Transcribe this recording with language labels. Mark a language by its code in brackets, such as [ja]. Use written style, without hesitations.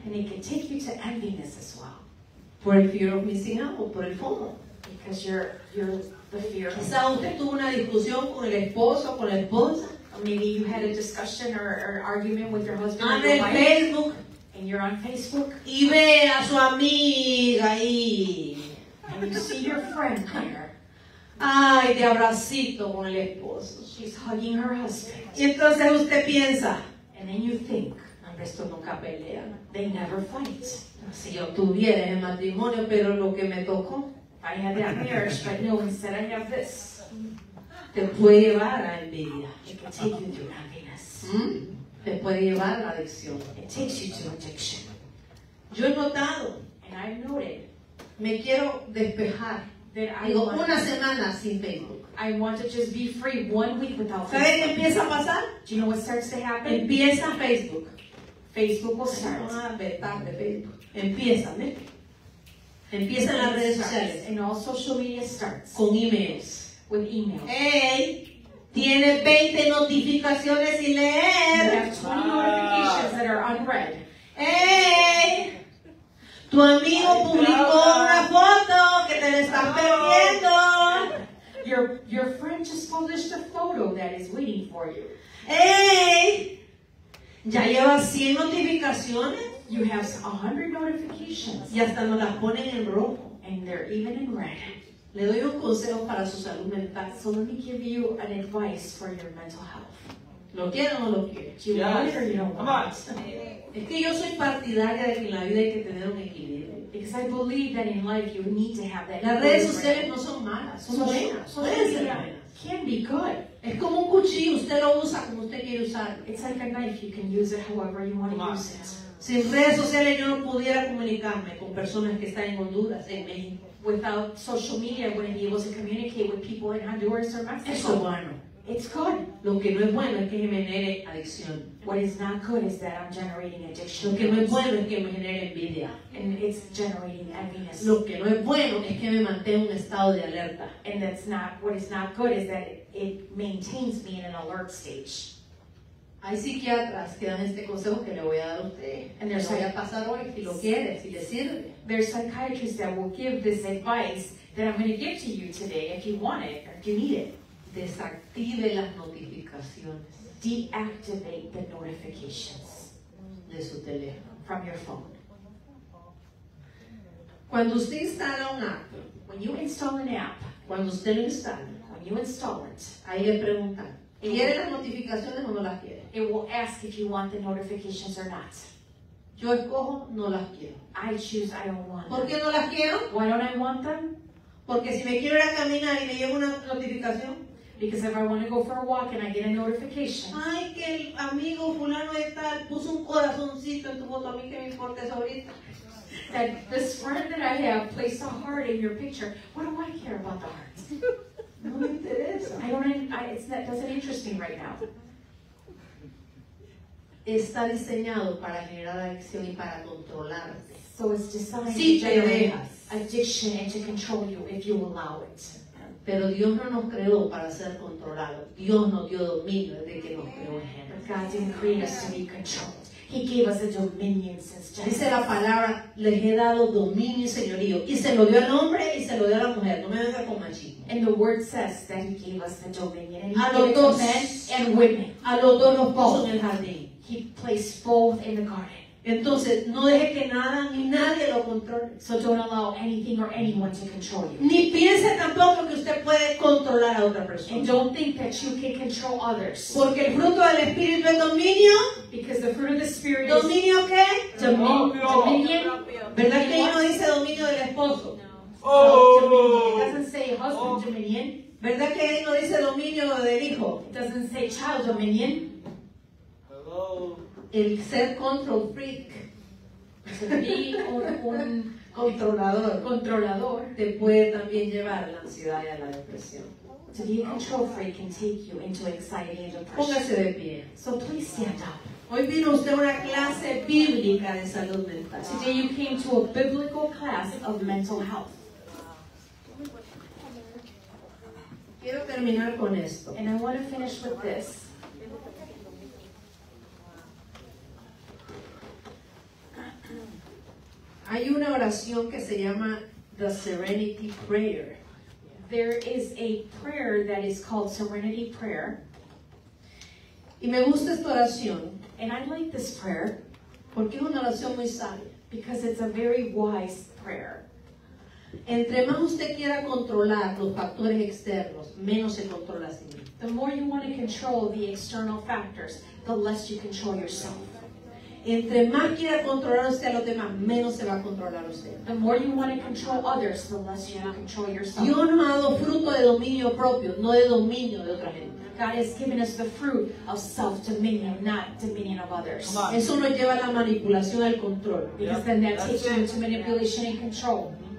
[en] And it can take you to envyness as well. [es] Por el [en] fear of missing out, [es] por el FOMO. [en] Because you're the fear. [es] Quizá usted tuvo una discusión con el esposo, con la esposa. [en] Maybe you had a discussion or argument with your husband. [es] En Facebook. [en] And you're on Facebook. [es] Y ve a su amiga ahí. [en] And you see your friend there. [es] Ay, de abracito con el esposo. [en] She's hugging her husband. [es] Y entonces usted piensa. [en] And then you think, [es] esto nunca pelea. [en] They never fight. [es] Si yo tuviera el matrimonio, pero lo que me tocó. [en] I had that marriage, but no, instead I have this. [es] Te puede llevar a envidia. [en] It can take you to happiness. [es] Te puede llevar a la adicción. [en] It takes you to addiction. [es] Yo he notado. [en] And I've noted. [es] Me quiero despejar. Digo, una semana sin Facebook. [en] I want to just be free 1 week without [es] Facebook. ¿Sabes qué empieza a pasar? [en] Do you know what starts to happen? [es] Empieza Facebook. [en] Facebook will start. [es] Ah, verdad, de Facebook. Empieza, ¿me? Empieza en las redes sociales. [en] And all social media starts. [es] Con emails. [en] With emails. [es] Hey, tiene 20 notificaciones sin leer. [en] You have 20 notifications that are unread. [es] Hey, tu amigo publicó una foto que te la estás perdiendo. [en] Your friend just published a photo that is waiting for you. [es] Hey, ya llevas 100 notificaciones. [en] You have 100 notifications. [es] Y hasta nos las ponen en rojo. [en] And they're even in red. [es] Le doy un consejo para su salud mental. [en] So let me give you an advice for your mental health. [es] ¿Lo quiere o no lo quiere? [en] Do you want it or you don't want it? [es] Es que yo soy partidaria de que en la vida hay que tener un equilibrio. [en] Because I believe that in life you need to have that. [es] Las redes sociales no son malas, son buenas. Pueden ser buenas. [en] Can be good. [es] Es como un cuchillo, usted lo usa como usted quiere usar. [en] It's like a knife, you can use it however you want to use it. [es] Sin redes sociales yo no pudiera comunicarme con personas que están en Honduras, en México. [en] Without social media, I wouldn't be able to communicate with people in Honduras or Mexico. [es] Eso es bueno. [en] It's good. [es] Lo que no es bueno es que me genere adicción. [en] What is not good is that I'm generating addiction. [es] Lo que no es bueno es que me genere envidia. [en] And it's generating envyness. [es] Lo que no es bueno es que me mantenga un estado de alerta. [en] And that's not, what is not good is that it maintains me in an alert stage. [es] Hay psiquiatras que dan este consejo que le voy a dar a usted. [en] And there's [es] lo voy a pasar hoy si lo quiere, si le sirve. [en] There's psychiatrists that will give this advice that I'm going to give to you today if you want it or if you need it. [es] Desactive las notificaciones. [en] Deactivate the notifications. [es] De su teléfono. [en] From your phone. [es] Cuando usted instala un app. [en] When you install an app. [es] Cuando usted lo instala. [en] When you install it. [es] Ahí le pregunta. ¿Quiere las notificaciones o no las quiere? [en] It will ask if you want the notifications or not. [es] Yo escojo no las quiero. [en] I choose I don't want them. [es] ¿Por qué no las quiero? [en] Why don't I want them? [es] Porque si me quiero ir a caminar y me llega una notificación. [en] Because if I want to go for a walk and I get a notification. [es] Ay, que el amigo fulano de tal puso un corazoncito en tu foto, a mí que me importa eso ahorita. [en] That this friend that I have placed a heart in your picture. What do I care about the heart? [es] No me interesa. [en] That doesn't interest me right now. [es] Está diseñado para generar adicción y para controlarte. [en] So it's designed [es] si te dejas. [en] addiction and to control you if you allow it. [es] Pero Dios no nos creó para ser controlados. Dios nos dio dominio desde que nos creó en Génesis. [en] God didn't create us to be controlled. He gave us a dominion since Genesis. [es] Dice la palabra, les he dado dominio y señorío. Y se lo dio al hombre y se lo dio a la mujer. No me venga con machismo. [en] And the word says that he gave us the dominion. [es] A los dos, [en] men and women. [es] A los dos nos puso en el jardín. [en] He placed both in the garden. [es] Entonces, no deje que nada ni nadie lo controle. [en] So don't allow anything or anyone to control you. [es] Ni piense tampoco que usted puede controlar a otra persona. [en] And don't think that you can control others. [es] Porque el fruto del Espíritu es dominio. [en] Because the fruit of the Spirit is... [es] ¿Dominio qué? [en] Dominion. [es] ¿Verdad que no dice dominio del esposo? No. Oh. [en] No, dominion. It doesn't say husband dominion. [es] ¿Verdad que no dice dominio del hijo? [en] It doesn't say child dominion. Hello. [es] El ser [en] control freak, [es] un controlador, controlador te puede también llevar a la ansiedad y a la depresión. [en] To be a control freak can take you into anxiety and depression. [es] Póngase de pie. [en] So please stand up. [es] Hoy vino usted a una clase bíblica de salud mental. [en] Today you came to a biblical class of mental health. [es] Quiero terminar con esto. [en] And I want to finish with this. [es] Hay una oración que se llama the Serenity Prayer. [en] There is a prayer that is called Serenity Prayer. [es] Y me gusta esta oración. [en] And I like this prayer. [es] Porque es una oración muy sabia. [en] Because it's a very wise prayer. [es] Entre más usted quiera controlar los factores externos, menos se controla a sí mismo. [en] The more you want to control the external factors, the less you control yourself. [es] Entre más quiera controlar usted a los demás, menos se va a controlar usted. [en] The more you want to control others, the less you want to control yourself. [es] Dios nos ha dado fruto de dominio propio, no de dominio de otra gente. [en] God has given us the fruit of self-dominion, not dominion of others. [es] Eso nos lleva a la manipulación y al control. [en] Because then that takes you into manipulation and control.